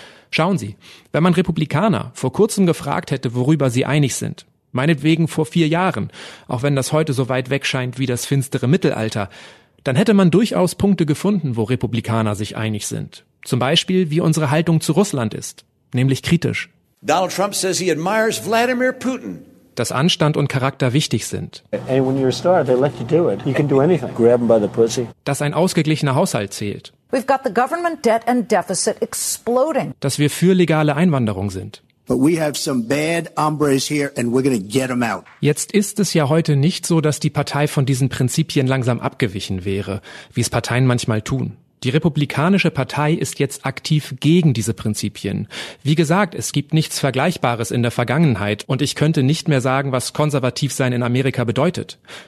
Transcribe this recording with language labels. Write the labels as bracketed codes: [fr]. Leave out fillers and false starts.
[de] Schauen Sie, wenn man Republikaner vor kurzem gefragt hätte, worüber sie einig sind, meinetwegen vor 4 Jahren, auch wenn das heute so weit weg scheint wie das finstere Mittelalter, dann hätte man durchaus Punkte gefunden, wo Republikaner sich einig sind. Zum Beispiel, wie unsere Haltung zu Russland ist, nämlich kritisch. [en] Donald Trump says he admires Vladimir Putin. [de] Dass Anstand und Charakter wichtig sind. [en] And when you're a star, they let you do it. You can do anything. Grab him by the pussy. [de] Dass ein ausgeglichener Haushalt zählt. [en] We've got the government debt and deficit exploding. [de] Dass wir für legale Einwanderung sind. [en] But we have some bad hombres here and we're gonna get them out. [de] Jetzt ist es ja heute nicht so, dass die Partei von diesen Prinzipien langsam abgewichen wäre, wie es Parteien manchmal tun. Die Republikanische Partei ist jetzt aktiv gegen diese Prinzipien. Wie gesagt, es gibt nichts Vergleichbares in der Vergangenheit und ich könnte nicht mehr sagen, was konservativ sein in Amerika bedeutet.